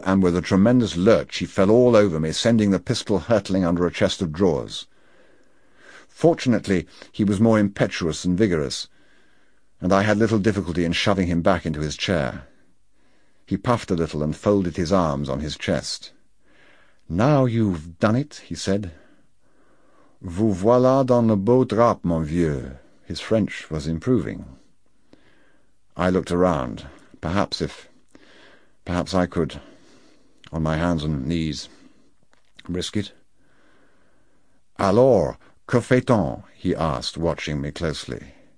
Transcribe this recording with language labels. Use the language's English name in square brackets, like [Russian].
[English] And with a tremendous lurch he fell all over me, sending the pistol hurtling under a chest of drawers. Fortunately, he was more impetuous than vigorous, and I had little difficulty in shoving him back into his chair. He puffed a little and folded his arms on his chest. "Now you've done it," he said. [French] "Vous voilà dans le beau drap, mon vieux." [English] His French was improving. I looked around. Perhaps I could, on my hands and knees, risk it. [French] "Alors, que fait-on?" [English] he asked, watching me closely.